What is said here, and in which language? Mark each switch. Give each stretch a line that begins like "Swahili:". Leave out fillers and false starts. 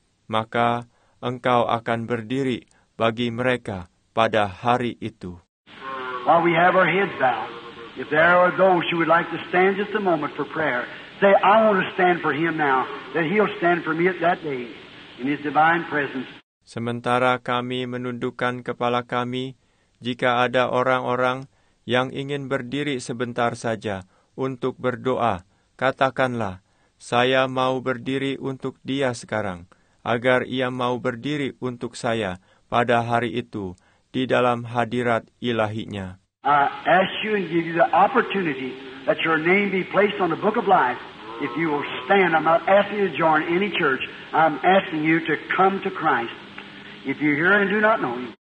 Indonesian: Maka Engkau akan berdiri bagi mereka pada hari itu.
English: While we have our heads bowed, if there are those who would like to stand just a moment for prayer, say, I want to stand for Him now, that He'll stand for me at that day in His divine presence.
Indonesian: Sementara kami menundukkan kepala kami, jika ada orang-orang yang ingin berdiri sebentar saja untuk berdoa, katakanlah, saya mau berdiri untuk Dia sekarang, agar Ia mau berdiri untuk saya pada hari itu di dalam hadirat ilahinya.
English: I ask you and give you the opportunity that your name be placed on the book of life. If you will stand, I'm not asking you to join any church. I'm asking you to come to Christ. If you hear and do not know Him.